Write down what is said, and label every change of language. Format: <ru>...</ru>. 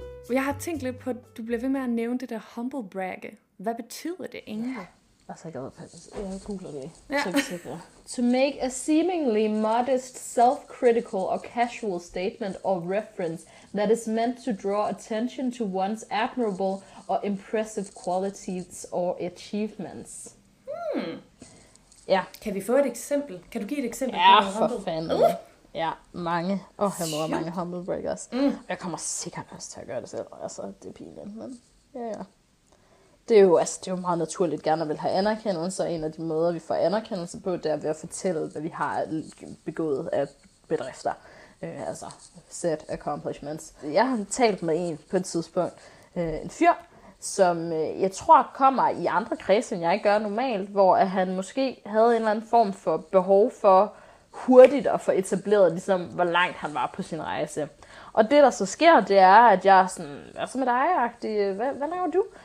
<da>Jeg har tænkt lidt på, at du bliver ved med at nævne det der humble brag. Hvad betyder det egentlig? Altså, jeg googler det, så ikke sikker.</da> <en>To make a seemingly modest, self-critical or casual statement or reference that is meant to draw attention to one's admirable or impressive qualities or achievements.</en> <da>Ja. Kan vi få et eksempel? Kan du give et eksempel? Ja, for fanden. Ja, mange. Åh, jeg må have mange humble breakers. Jeg kommer sikkert også til at gøre det selv, altså, det er pinligt, men ja, ja. Det er jo, altså, det er jo meget naturligt gerne at vil have anerkendelse, og en af de måder, vi får anerkendelse på, det er ved at fortælle, hvad vi har begået af bedrifter. Altså, set accomplishments. Jeg har talt med en på et tidspunkt, en fyr, som jeg tror kommer i andre kredse, end jeg gør normalt, hvor at han måske havde en eller anden form for behov for hurtigt at få etableret, ligesom, hvor langt han var på sin rejse. Og det, der så sker, det er, at jeg er sådan, hvad så med dig-agtig? Hvad laver du?</da>